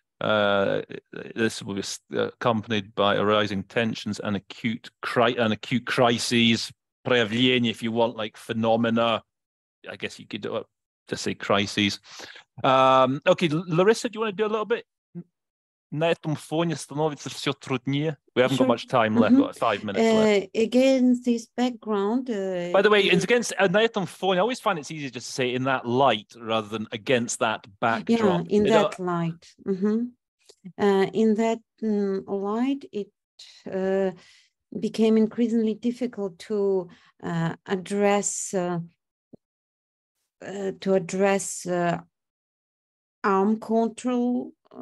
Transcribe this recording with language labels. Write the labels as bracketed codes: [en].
[en] This will be accompanied by arising tensions and acute crises, [ru] проявления, [en] if you want, like phenomena. I guess you could just say crises. Okay, Larissa, do you want to do a little bit? [ru] На этом фоне становится все труднее. [en] We haven't got much time left. Mm-hmm. Got 5 minutes left. Against this background. By the way, it's against [ru] на этом фоне. [en] I always find it's easier just to say in that light rather than against that backdrop. Yeah, in you that know? Light. Mm-hmm. In that light, it became increasingly difficult to address arm control.